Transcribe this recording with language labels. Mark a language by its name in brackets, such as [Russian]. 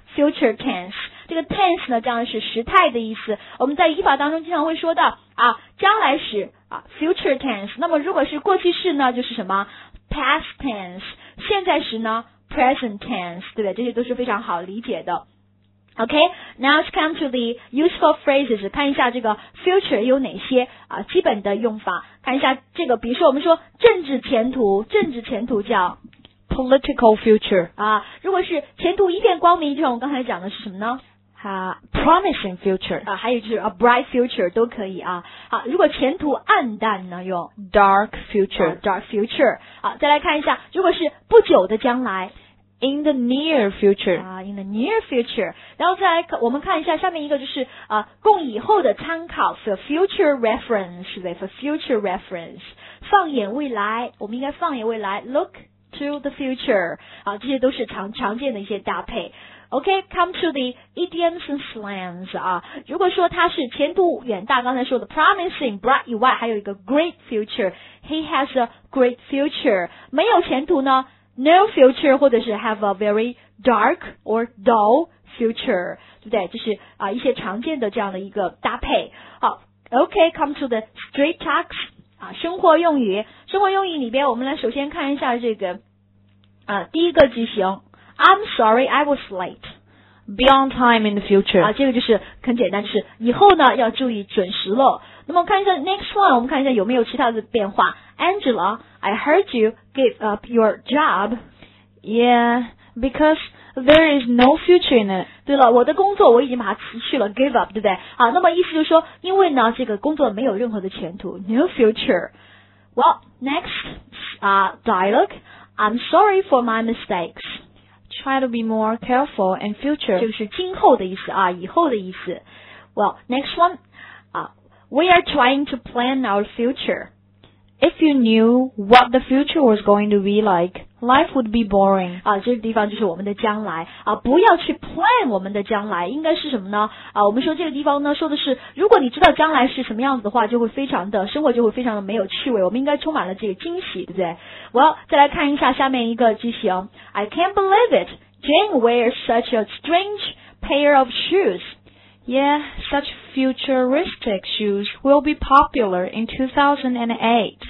[Chinese] Future tense, 这个 tense 呢，将来是时态的意思。我们在语法当中经常会说到啊，将来时啊 ，future tense。那么如果是过去式呢，就是什么 past tense。现在时呢 ，present tense， 对不对？这些都是非常好理解的。 [English] OK, now let's come to the useful phrases. [Chinese] 看一下这个 future 有哪些啊基本的用法。看一下这个，比如说我们说政治前途叫。 [English] Political future [Chinese] 啊，如果是前途一片光明，就像我刚才讲的是什么呢？ [English] Promising future [Chinese] 啊，还有就是 a bright future 都可以啊。好，如果前途暗淡呢，用 [English] dark future、啊。 [Chinese] dark future 啊，再来看一下，如果是不久的将来 [English] ，in the near future 啊 ，in the near future。 [Chinese] 然后再来，我们看一下下面一个就是啊，供以后的参考 ， [English] for future reference， [Chinese] 对 ，for future reference。放眼未来，我们应该放眼未来 ， [English] look。To the future, [Chinese] 啊，这些都是常见的一些搭配。 [English] OK, come to the idioms and slangs, 啊， [Chinese] 如果说他是前途远大，刚才说的 [English] promising, bright [Chinese] 以外，还有一个 [English] great future, he has a great future. [Chinese] 没有前途呢 [English] ,no future, [Chinese] 或者是 [English] have a very dark or dull future, [Chinese] 对不对？就是啊，一些常见的这样的一个搭配。 [English] 好 ,OK, come to the straight talks. [Chinese] 啊，生活用语里边，我们来首先看一下这个，啊，第一个句型 ， [English] I'm sorry, I was late, be on time in the future。 [Chinese] 啊，这个就是很简单，就是以后呢要注意准时了。那么看一下 next one， 我们看一下有没有其他的变化。 [English] Angela, I heard you give up your job. Yeah, because there is no future in it. [Chinese] 对了，我的工作我已经把它辞去了 ， [English] give up， [Chinese] 对不对？好，那么意思就是说，因为呢，这个工作没有任何的前途 ， [English] no future. Well, next, dialogue. I'm sorry for my mistakes. Try to be more careful in future. [Chinese] 就是今后的意思啊，以后的意思。 [English] Well, next one. We are trying to plan our future. If you knew what the future was going to be like, Life would be boring. [Chinese] 啊，这个地方就是我们的将来啊，不要去 plan 我们的将来，应该是什么呢？啊，我们说这个地方呢，说的是如果你知道将来是什么样子的话，就会非常的生活就会非常的没有趣味。我们应该充满了这个惊喜，对不对 ？Well， 再来看一下下面一个句型 ， [English] I can't believe it. Jane wears such a strange pair of shoes. Yeah, such futuristic shoes will be popular in 2008.